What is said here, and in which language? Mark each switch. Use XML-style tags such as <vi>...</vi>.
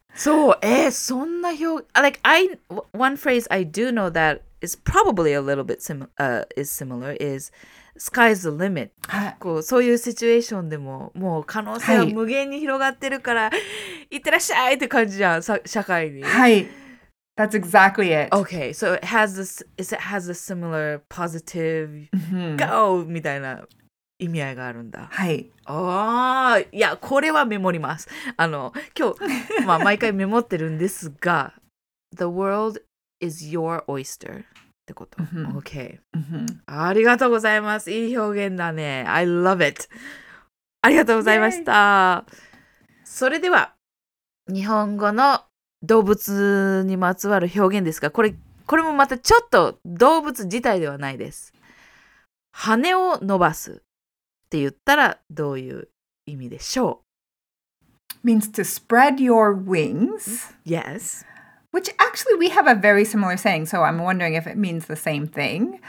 <en>So,</en> <ja>そんな表現</ja> <en>like I one phrase I do know that is probably a little bit similar is sky's the limit.</en> <ja>こうそういうシチュエーションでももう可能性は無限に広がってるから、はい、いってらっしゃいって感じじゃん社会に。</ja> <en>はい。That's exactly it. Okay, so it has a similar positive、mm-hmm.</en> <ja>go みたいな意味合いがあるんだ。はい。ああ、いや、これはメモります。今日、まあ、毎回メモってるんですが、</ja> <en>The world is your oyster</en> <ja>ってこと。Okay. ありがとうございます。いい表現だね。</ja> <en>I love it.</en> <ja>ありがとうございました。それでは、日本語の動物にまつわる表現ですが、これもまたちょっと動物自体ではないです。羽を伸ばす。って言ったらどういう意味でしょう?</ja> <en>Means to spread your wings. Yes. Which actually we have a very similar saying, so I'm wondering if it means the same thing.</en>